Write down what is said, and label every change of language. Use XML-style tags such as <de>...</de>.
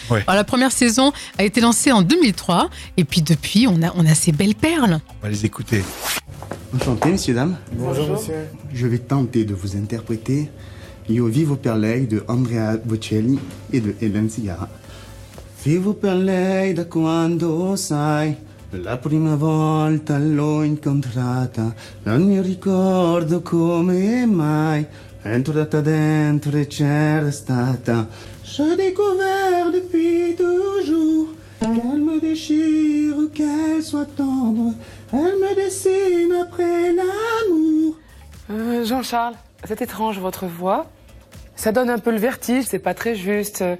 <fr>Oui. Alors, la première saison a été lancée en 2003, et puis depuis, on a ces belles perles. On va les écouter. Enchanté, messieurs, dames. Bonjour, monsieur. Je vais tenter de vous interpréter Io vivo per lei de Andrea Bocelli et de Hélène Cigara.</fr> <it>Vivo per lei da quando sai, la prima volta l'ho incontrata, non mi ricordo come mai, entrata dentro e c'era stata.</it> <fr>Je découvert depuis toujours, qu'elle me déchire, qu'elle soit tendre, elle me dessine après l'amour. Jean-Charles, c'est étrange votre voix. Ça donne un peu le vertige, c'est pas très juste.</fr>